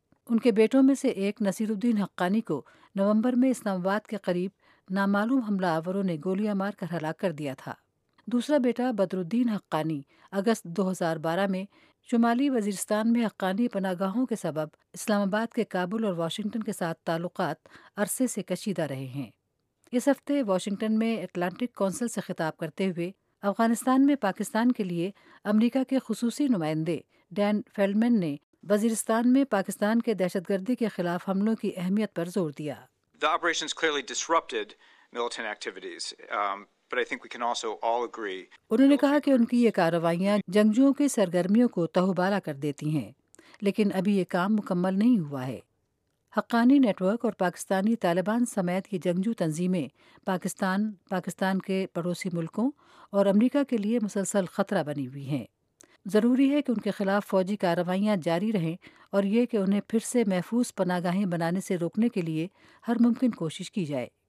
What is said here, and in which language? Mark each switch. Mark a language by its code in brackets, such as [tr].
[ur] ان کے بیٹوں میں سے ایک نصیر الدین حقانی کو نومبر میں اسلام آباد کے قریب نامعلوم حملہ آوروں نے گولیاں مار کر ہلاک کر دیا تھا۔ دوسرا بیٹا بدر الدین حقانی اگست 2012 میں شمالی وزیرستان میں حقانی پناہ گاہوں کے سبب اسلام آباد کے کابل اور واشنگٹن کے ساتھ تعلقات عرصے سے کشیدہ رہے ہیں۔ اس ہفتے واشنگٹن میں اٹلانٹک کونسل سے خطاب کرتے ہوئے افغانستان میں پاکستان کے لیے امریکہ کے خصوصی نمائندے ڈین فیلڈمن نے وزیرستان میں پاکستان کے دہشت گردی کے خلاف حملوں کی اہمیت پر زور دیا۔ [en] The operations clearly disrupted militant activities, but I think we can also all agree. [ur] انہوں نے کہا کہ ان کی یہ کارروائیاں جنگجوؤں کی سرگرمیوں کو تہوبالا کر دیتی ہیں، لیکن ابھی یہ کام مکمل نہیں ہوا ہے۔ حقانی نیٹورک اور پاکستانی طالبان سمیت یہ جنگجو تنظیمیں پاکستان، پاکستان کے پڑوسی ملکوں اور امریکہ کے لیے مسلسل خطرہ بنی ہوئی ہیں۔ ضروری ہے کہ ان کے خلاف فوجی کارروائیاں جاری رہیں اور یہ کہ انہیں پھر سے محفوظ پناہ گاہیں بنانے سے روکنے کے لیے ہر ممکن کوشش کی جائے۔